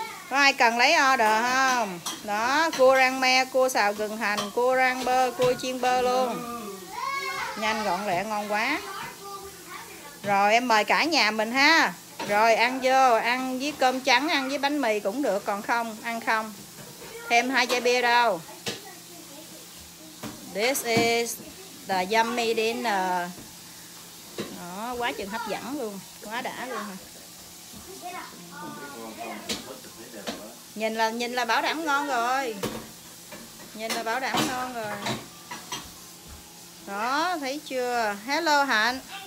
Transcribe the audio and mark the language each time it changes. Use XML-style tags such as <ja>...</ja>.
<vi>Có ai cần lấy order không? Đó, cua rang me, cua xào gừng hành, cua rang bơ, cua chiên bơ luôn. Nhanh gọn lẹ ngon quá. Rồi em mời cả nhà mình ha. Rồi ăn vô, ăn với cơm trắng, ăn với bánh mì cũng được, còn không, ăn không. Thêm hai chai bia đâu.</vi> <en>This is the yummy dinner.</en> <vi>Đó, quá chừng hấp dẫn luôn, quá đã luôn. Nhìn là bảo đảm ngon rồi. Nhìn là bảo đảm ngon rồi. Đó, thấy chưa? Hello Hạnh.</vi>